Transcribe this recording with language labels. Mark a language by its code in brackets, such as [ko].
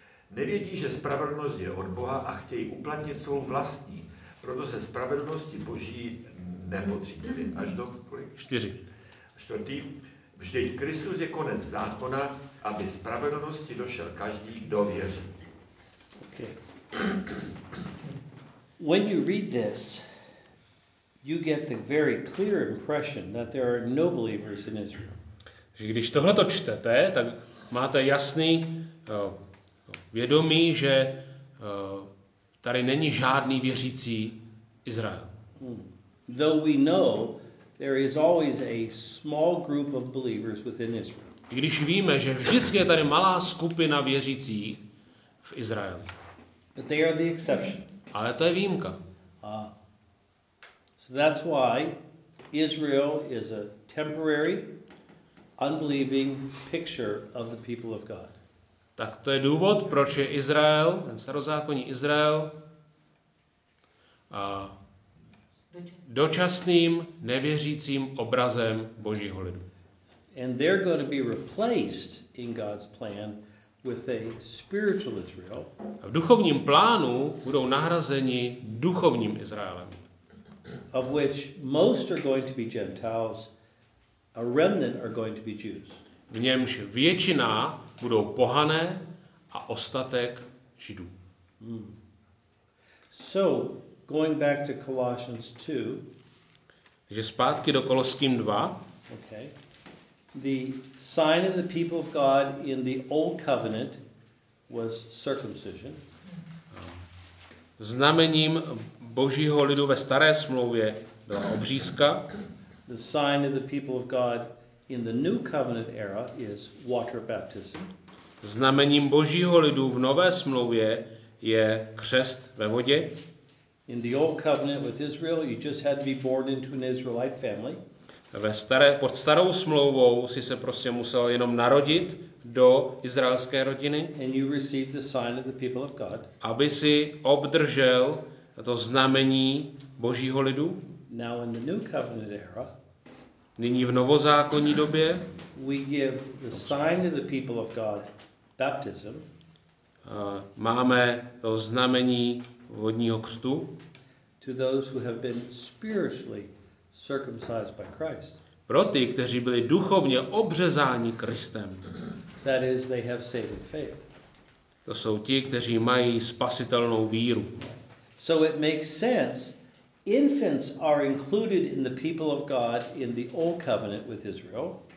[cs] Nevědí, že spravedlnost je od Boha a chtějí uplatnit svou vlastní. Proto se spravedlnosti Boží nepodřídili. Až do kolik? 4. 4. Vždyť Kristus je konec zákona, aby spravedlnosti došel každý, kdo věří. Okay. [en] When you read this, you get the very clear impression that there are no believers in Israel. [cs] Že když tohle to čtete, tak máte jasný vědomí, že tady není žádný věřící Izrael. [en] Though we know there is always a small group of believers within Israel. [cs] Když víme, že vždycky je tady malá skupina věřících v Izraeli. [en] But they are the exception. [cs] Ale to je výjimka. [en] So that's why Israel is a temporary unbelieving picture of the people of God. [cs] Tak to je důvod, proč je Izrael, ten starozákonní Izrael, dočasným nevěřícím obrazem Božího lidu. [en] And they're going to be replaced in God's plan with a spiritual Israel. [cs] A v duchovním plánu budou nahrazeni duchovním Izraelem. [en] Of which most are going to be Gentiles, a remnant are going to be Jews. [cs] V němž většina budou pohané a ostatek Židů. Hmm. [en] So, going back to Colossians 2. [cs] Takže zpátky do Koloským 2. Okay. [en] The sign of the people of God in the old covenant was circumcision. [cs] Znamením Božího lidu ve staré smlouvě byla obřízka. [en] The sign of the people of God in the new covenant era is water baptism. [cs] Znamením Božího lidu v nové smlouvě je křest ve vodě. [en] In the old covenant with Israel, you just had to be born into an Israelite family. [cs] Pod starou smlouvou si se prostě musel jenom narodit do izraelské rodiny. [en] And you received the sign of the people of God. [cs] Aby si obdržel to znamení Božího lidu. [en] Now in the new covenant era, [cs] nyní v novozákonní době, [en] we give the sign of the people of God baptism. [cs] Máme to znamení vodního křtu. [en] To those who have been spiritually circumcised by Christ. [cs] Pro ty, kteří byli duchovně obřezáni Kristem. [en] That is, they have saving faith. [cs] To jsou ti, kteří mají spasitelnou víru. [en] So it makes sense. Infants are included in the people of God in the old covenant with Israel.